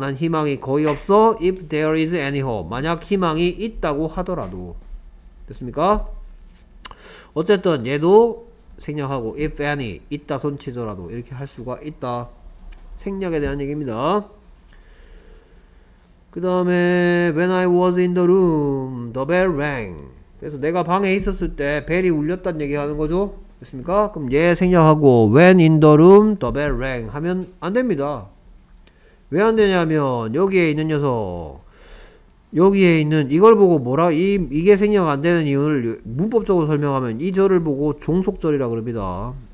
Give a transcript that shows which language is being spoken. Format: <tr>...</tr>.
<ko>난 희망이 거의 없어.</ko> <en>if there is any hope.</en> <ko>만약 희망이 있다고 하더라도 됐습니까? 어쨌든 얘도 생략하고 if any 있다 손치더라도 이렇게 할 수가 있다. 생략에 대한 얘기입니다. 그 다음에</ko> <en>When I was in the room, the bell rang.</en> <ko>그래서 내가 방에 있었을 때 벨이 울렸단 얘기하는 거죠. 됐습니까? 그럼 얘 생략하고</ko> <en>When in the room, the bell rang</en> <ko>하면 안 됩니다. 왜안 되냐면 여기에 있는 녀석, 여기에 있는 이걸 보고 뭐라 이게 생략 안 되는 이유를 문법적으로 설명하면 이 절을 보고 종속절이라 그럽니다.</ko>